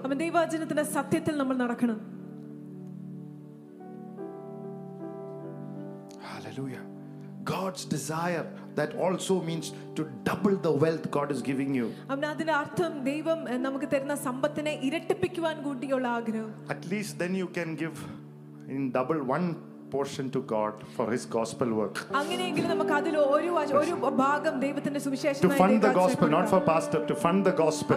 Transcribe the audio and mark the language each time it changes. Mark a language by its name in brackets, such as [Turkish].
[Malayalam] നമ്മ ദൈവവചനത്തിന്റെ സത്യത്തിൽ നമ്മൾ നടക്കണം. [English] Hallelujah. God's desire, that also means to double the wealth God is giving you. [Malayalam] അമ്മ അതിന്റെ അർത്ഥം ദൈവം നമുക്ക് തരുന്ന സമ്പത്തിനെ ഇരട്ടിപ്പിക്കുവാൻ കൂടിയുള്ള ആഗ്രഹം. [English] At least then you can give in double one portion to God for his gospel work. [Malayalam] അങ്ങനെയെങ്കിലും നമുക്ക് അതിൽ ഒരു ഒരു ഭാഗം ദൈവത്തിന്റെ സുവിശേഷം [English] to fund the gospel, not for pastor, to fund the gospel.